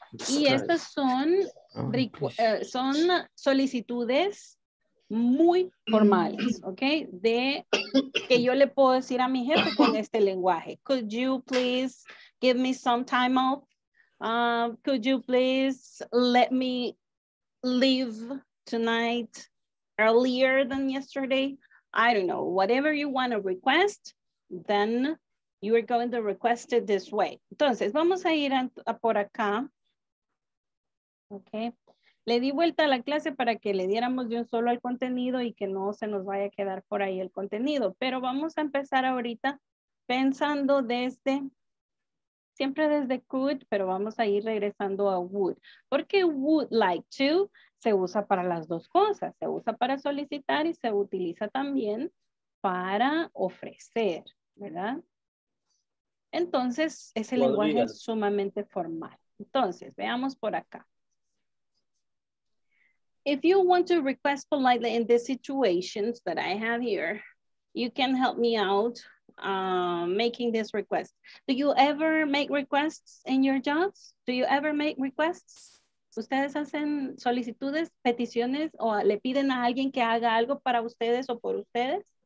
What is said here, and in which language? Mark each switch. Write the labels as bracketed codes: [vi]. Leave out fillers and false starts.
[es] Y estas son, son solicitudes muy formales, ¿ok? De que yo le puedo decir a mi jefe con este lenguaje. [en] Could you please give me some time off? Could you please let me leave tonight earlier than yesterday? I don't know. Whatever you want to request, then you are going to request it this way. [es] Entonces, vamos a ir a por acá. ¿Ok? Le di vuelta a la clase para que le diéramos de un solo al contenido y que no se nos vaya a quedar por ahí el contenido. Pero vamos a empezar ahorita pensando desde, siempre desde could, pero vamos a ir regresando a would. Porque would like to se usa para las dos cosas. Se usa para solicitar y se utiliza también para ofrecer, ¿verdad? Entonces, ese lenguaje es sumamente formal. Entonces, veamos por acá. [en] If you want to request politely in the situations that I have here, you can help me out making this request. Do you ever make requests in your jobs? Do you ever make requests? [es] ¿Ustedes hacen solicitudes, peticiones, o le piden a alguien que haga algo para ustedes o por ustedes?